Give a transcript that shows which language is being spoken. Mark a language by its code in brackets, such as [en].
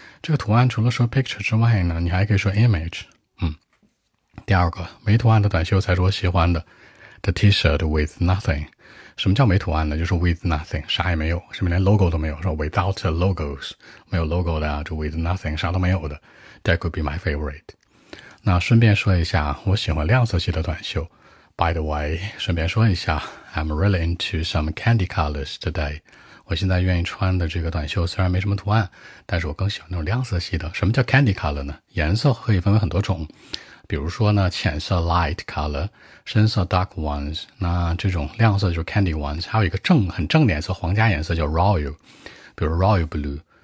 [zh] 这个图案除了说 picture 之外呢，你还可以说 image, 第二个，没图案的短袖才是我喜欢的。 [en] The t-shirt with nothing, [zh] 什么叫没图案呢？就是 [en] with nothing, [zh] 啥也没有，上面连 logo 都没有，说 [en] without logos, [zh] 没有 logo 的啊，就 with nothing, 啥都没有的。 [en] That could be my favorite. [zh] 那顺便说一下，我喜欢亮色系的短袖。 [en] By the way, [zh] 顺便说一下 [en] ,I'm really into some candy colors today. [zh] 我现在愿意穿的这个短袖虽然没什么图案，但是我更喜欢那种亮色系的。什么叫 candy color 呢？颜色可以分为很多种。比如说呢，浅色 [en] light color, [zh] 深色 [en] dark ones, [zh] 那这种亮色就是 [en] candy ones, [zh] 还有一个很正的颜色，皇家颜色叫 royal, 比如 [en] royal blue。